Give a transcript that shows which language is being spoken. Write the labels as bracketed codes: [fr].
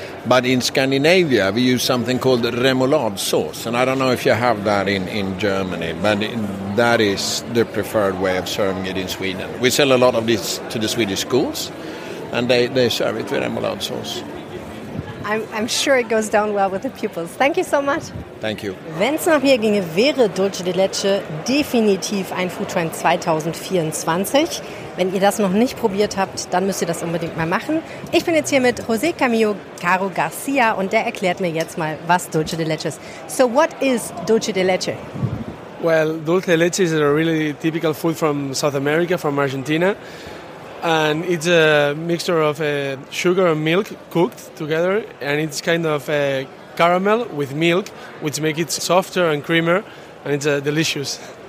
[en] But in Scandinavia, we use something called remoulade sauce, and I don't know if you have that in Germany, but that is the preferred way of serving it in Sweden. We sell a lot of this to the Swedish schools, and they serve it with remoulade sauce. I'm sure it goes down well with the pupils. Thank you so much. Thank you. [de] Wenn es nach mir ginge, wäre Dulce de Leche definitiv ein Foodtrend 2024. Wenn ihr das noch nicht probiert habt, dann müsst ihr das unbedingt mal machen. Ich bin jetzt hier mit José Camillo Caro Garcia und der erklärt mir jetzt mal, was Dulce de Leche ist. [en] So what is Dulce de Leche? Well, Dulce de Leche is a really typical food from South America, from Argentina. And it's a mixture of sugar and milk cooked together, and it's kind of a caramel with milk, which makes it softer and creamier, and it's delicious.